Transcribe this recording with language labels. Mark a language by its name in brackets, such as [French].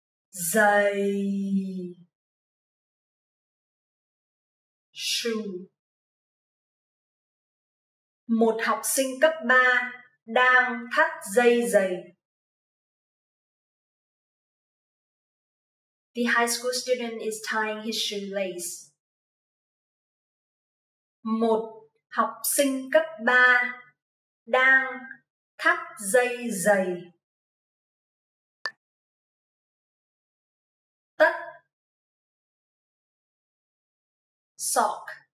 [Vietnamese] Giày. [English] Shoe. [Vietnamese] Một học sinh cấp 3 đang thắt dây giày. [English] The high school student is tying his shoelace. [Vietnamese] Một học sinh cấp 3 đang thắt dây giày. Tất. [English] Sock.